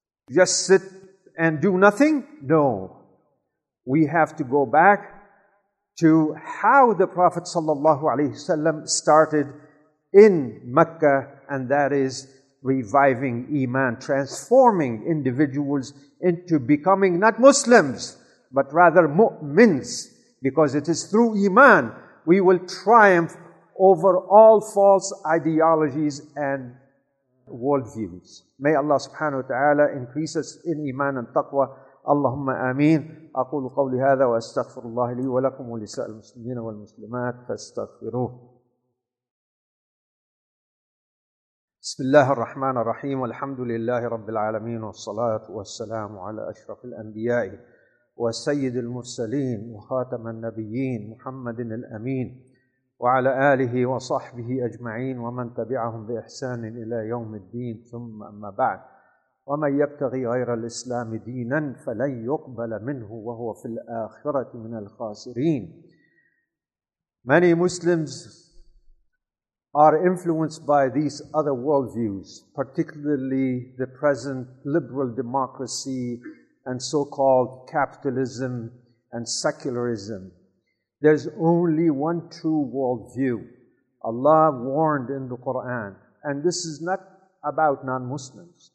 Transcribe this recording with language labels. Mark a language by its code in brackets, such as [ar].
[en] Just sit and do nothing? No. We have to go back to how the Prophet ﷺ started in Mecca, and that is reviving Iman, transforming individuals into becoming not Muslims, but rather mu'mins, because it is through Iman we will triumph over all false ideologies and worldviews. May Allah subhanahu wa ta'ala increase us in Iman and Taqwa. [ar] اللهم آمين أقول قولي هذا وأستغفر الله لي ولكم ولسائر المسلمين والمسلمات فاستغفروه بسم الله الرحمن الرحيم والحمد لله رب العالمين والصلاة والسلام على أشرف الأنبياء وسيد المرسلين وخاتم النبيين محمد الأمين وعلى آله وصحبه أجمعين ومن تبعهم بإحسان إلى يوم الدين ثم أما بعد ومن يبتغي غير الإسلام دينا فلن يقبل منه وهو في الآخرة من الخاسرين. [en] Many Muslims are influenced by these other worldviews, particularly the present liberal democracy and so-called capitalism and secularism. There's only one true worldview. Allah warned in the Quran, and this is not about non-Muslims.